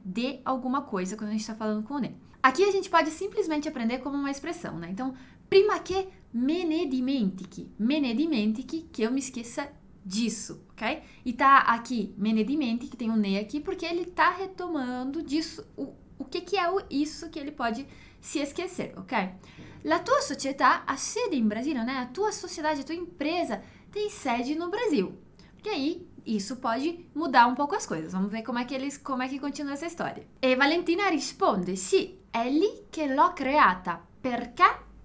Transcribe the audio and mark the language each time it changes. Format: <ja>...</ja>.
<pt>De alguma coisa quando a gente tá falando com o né. Aqui a gente pode simplesmente aprender como uma expressão, né? Então,</pt> <it>prima que me ne dimentichi,</it> <pt>que eu me esqueça disso, ok? E tá aqui,</pt> <it>me ne dimentichi,</it> <pt>tem um ne aqui, porque ele tá retomando disso, o que é isso que ele pode se esquecer, ok?</pt> <it>La tua società ha sede in Brasile, né?</it> <pt>A tua sociedade, a tua empresa tem sede no Brasil. Porque aí, isso pode mudar um pouco as coisas. Vamos ver como é que continua essa história.</pt> <it>E Valentina risponde, sì, è lì che l'ho creata, perché?</it>